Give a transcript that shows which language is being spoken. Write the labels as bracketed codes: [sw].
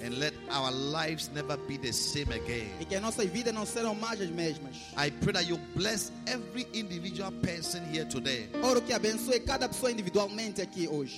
[en] And let our lives never be the same again. [pt] E que a nossa vida não serão mais as mesmas. [en] I pray that you bless every individual person here today. [pt] Oro que abençoe cada pessoa individualmente aqui hoje.